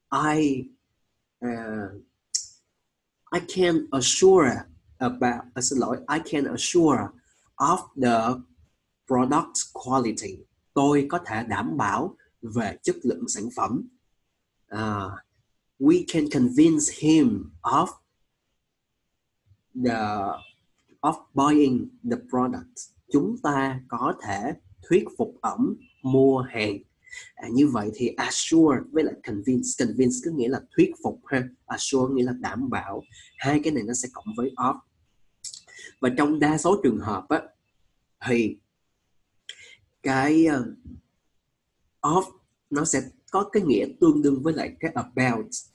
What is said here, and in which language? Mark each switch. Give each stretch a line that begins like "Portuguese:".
English: I can assure about,
Vietnamese: xin lỗi,
English: I can assure of the product quality.
Vietnamese: Tôi có thể đảm bảo về chất lượng sản phẩm.
English: We can convince him of buying the product.
Vietnamese: Chúng ta có thể thuyết phục ổng mua hàng. Như vậy thì assure với lại convince, convince có nghĩa là thuyết phục ha, assure nghĩa là đảm bảo, hai cái này nó sẽ cộng với of. Và trong đa số trường hợp á thì cái of nó sẽ có cái nghĩa tương đương với lại cái about.